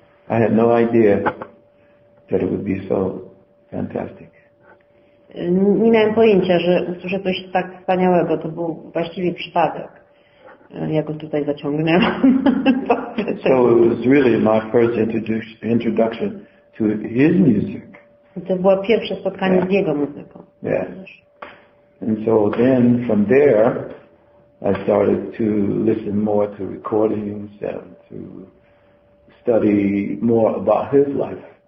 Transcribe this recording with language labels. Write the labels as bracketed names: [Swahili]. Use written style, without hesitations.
[English] I had no idea that it would be so fantastic. [Polish] Nie miałem pojęcia, że usłyszę coś tak wspaniałego. To był właściwie przypadek. Ja go tutaj zaciągnęłam. [English] So it was really my first introduction to his music. [Polish] To było pierwsze spotkanie z jego muzyką. [English] Yeah. And so then, from there, I started to listen more to recordings and to study more about his life.